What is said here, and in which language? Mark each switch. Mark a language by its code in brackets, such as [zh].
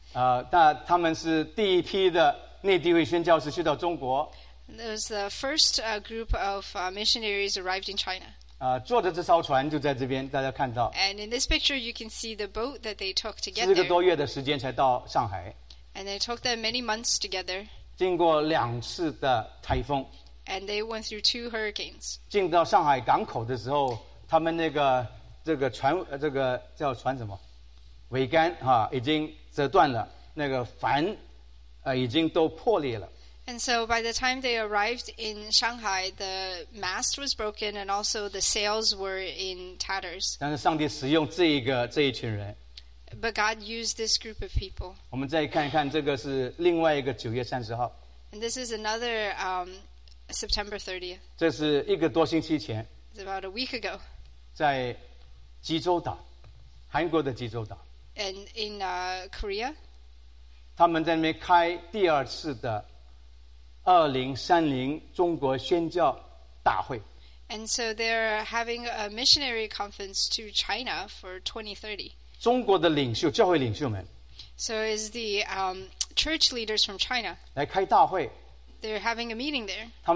[en] It was the first group of missionaries arrived in China. [zh] 坐着这艘船就在这边, 大家看到, [en] and in this picture, you can see the boat that they took to get there. And it took them many months to get there. And they went through two hurricanes. [zh] 进到上海港口的时候, 他们那个,这个船, 这个叫船什么? 桅杆, 啊, 已经折断了, 那个帆, 已经都破裂了。 [en] And so by the time they arrived in Shanghai, the mast was broken and also the sails were in tatters. [zh] 但是上帝使用这一个,这一群人。 [en] But God used this group of people. [zh] 我们再看一看,这个是另外一个9月30号。 [en] And this is another September 30th. [zh] 这是一个多星期前。 [en] It's about a week ago. [zh] 在济州岛,韩国的济州岛。 [en] And in Korea. [zh] 他们在那边开第二次的 2030中国宣教大会。 [en] And so they're having a missionary conference to China for 2030. [zh] 中国的领袖,教会领袖们。 [en] So is the church leaders from China. [zh] 来开大会。 [en] They're having a meeting there.